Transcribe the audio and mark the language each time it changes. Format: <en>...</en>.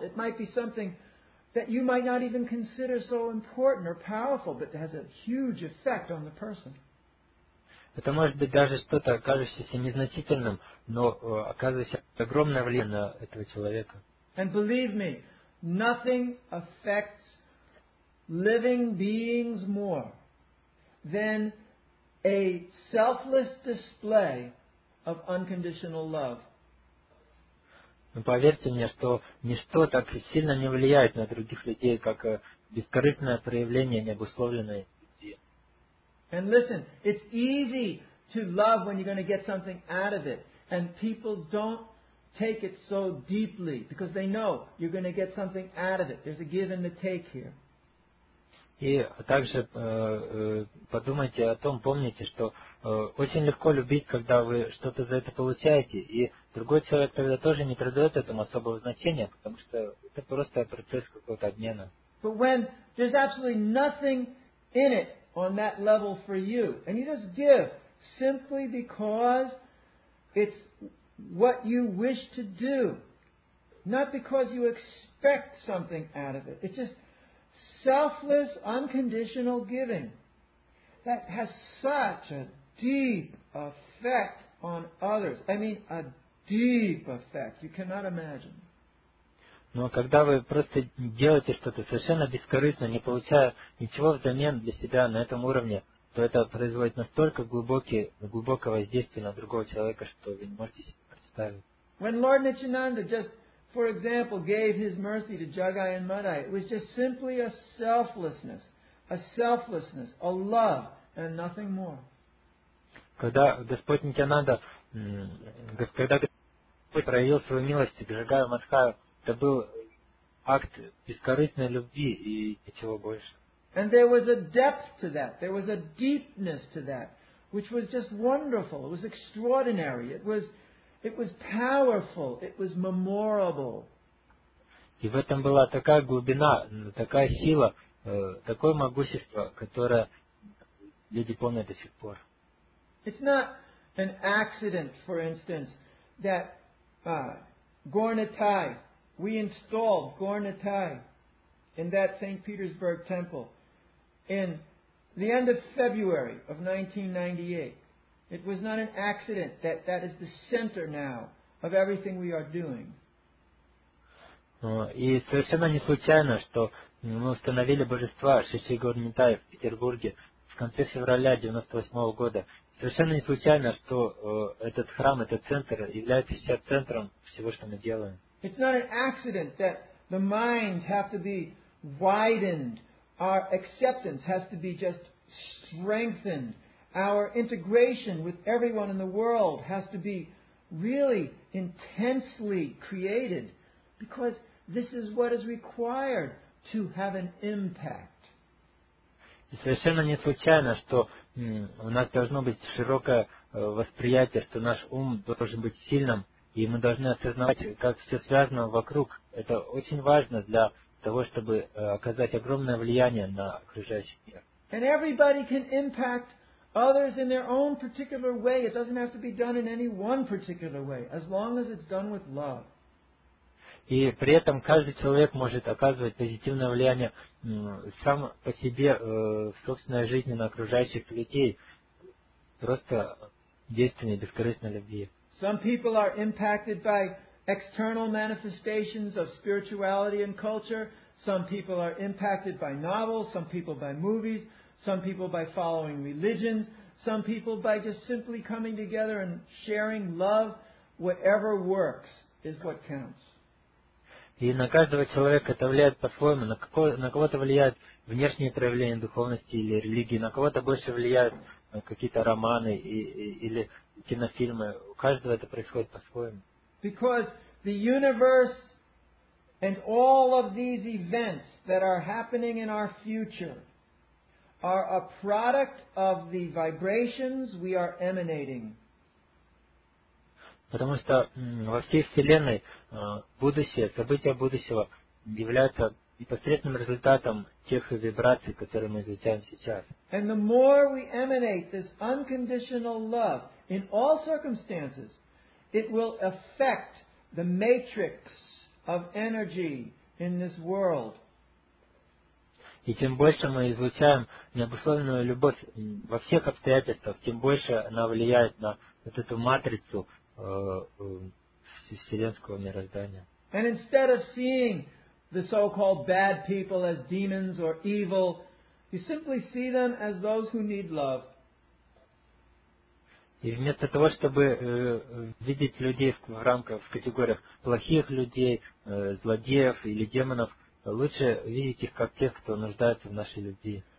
<en>It might be something that you might not even consider so important or powerful, but has a huge effect on the person.</en> <ru>Это может быть даже что-то, кажущееся незначительным, но оказывающее огромное влияние на этого человека.</ru> <en>And believe me, nothing affects living beings more than a selfless display of unconditional love.</en> <ru>Но поверьте мне, что ничто так сильно не влияет на других людей, как бескорыстное проявление необусловленной.</ru> <en>And listen, it's easy to love when you're going to get something out of it. And people don't take it so deeply because they know you're going to get something out of it. There's a give and a take here.</en> <ru>И также подумайте о том, помните, что очень легко любить, когда вы что-то за это получаете. И другой человек тогда тоже не придает этому особого значения, потому что это просто процесс какого-то обмена.</ru> <en>But when there's absolutely nothing in it, on that level for you. And you just give simply because it's what you wish to do. Not because you expect something out of it. It's just selfless, unconditional giving that has such a deep effect on others. I mean, a deep effect. You cannot imagine.</en> <ru>Но когда вы просто делаете что-то совершенно бескорыстно, не получая ничего взамен для себя на этом уровне, то это производит настолько глубокое воздействие на другого человека, что вы не можете себе представить.</ru> <en>When Lord Nityananda just, for example, gave his mercy to Jagai and Madai, it was just simply a selflessness, a love, and nothing more.</en> <ru>Когда Господь Нитянанда, когда Господь проявил свою милость к Джагаю Мадхаю, это был акт бескорыстной любви и ничего больше.</ru> <en>And there was a depth to that, there was a deepness to that, which was just wonderful, it was extraordinary, it was powerful, it was memorable.</en> <ru>И в этом была такая глубина, такая сила, такое могущество, которое люди помнят до сих пор.</ru> <en>It's not an accident, for instance, that Gaur Nitai, we installed Gaur Nitai in that St. Petersburg temple in the end of February of 1998. It was not an accident that that is the center now of everything we are doing.</en> <ru>И совершенно не случайно, что мы установили божества Шри Гаур Нитай в Петербурге в конце февраля 1998 года. Совершенно не случайно, что этот храм, этот центр является сейчас центром всего, что мы делаем.</ru> <en>It's not an accident that the minds have to be widened, our acceptance has to be just strengthened, our integration with everyone in the world has to be really intensely created, because this is what is required to have an impact.</en> <ru>И совершенно не случайно, что у нас должно быть широкое восприятие, что наш ум должен быть сильным, и мы должны осознавать, как все связано вокруг. Это очень важно для того, чтобы оказать огромное влияние на окружающий мир.</ru> <en>And everybody can impact others in their own particular way. It doesn't have to be done in any one particular way, as long as it's done with love.</en> <ru>И при этом каждый человек может оказывать позитивное влияние сам по себе в собственной жизни на окружающих людей просто действенной бескорыстной любви.</ru> <en>Some people are impacted by external manifestations of spirituality and culture. Some people are impacted by novels. Some people by movies. Some people by following religions. Some people by just simply coming together and sharing love. Whatever works is what counts.</en> <ru>И на каждого человека это влияет по-своему. На кого-то влияют внешние проявления духовности или религии, на кого-то больше влияют какие-то романы или кинофильмы. У каждого это происходит по-своему.</ru> <en>Because the universe and all of these events that are happening in our future are a product of the vibrations we are emanating.</en> <ru>Потому что во всей Вселенной будущее, события будущего являются непосредственным результатом тех вибраций, которые мы излучаем сейчас.</ru> <en>And the more we emanate this unconditional love in all circumstances, it will affect the matrix of energy in this world.</en> <ru>И тем больше мы излучаем необусловленную любовь во всех обстоятельствах, тем больше она влияет на вот эту матрицу, вселенского мироздания.</ru> <en>And instead of seeing the so-called bad people as demons or evil, you simply see them as those who need love.</en> <ru>И вместо того, чтобы видеть людей в рамках, в категориях плохих людей, злодеев или демонов, лучше видеть их как тех, кто нуждается в нашей любви.</ru>